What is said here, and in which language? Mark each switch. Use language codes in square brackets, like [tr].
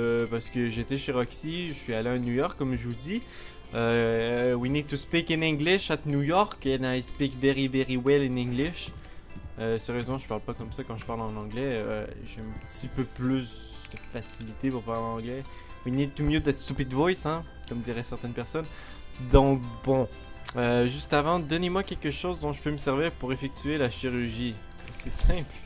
[fr] Parce que j'étais chez Roxy, je suis allé à New York comme je vous dis. [en] We need to speak in English at New York and I speak very very well in English. [fr] Sérieusement, je parle pas comme ça quand je parle en anglais. J'ai un petit peu plus de facilité pour parler en anglais. [en] We need to mute that stupid voice, [fr] hein, comme diraient certaines personnes. Donc bon, juste avant, donnez-moi quelque chose dont je peux me servir pour effectuer la chirurgie. C'est simple.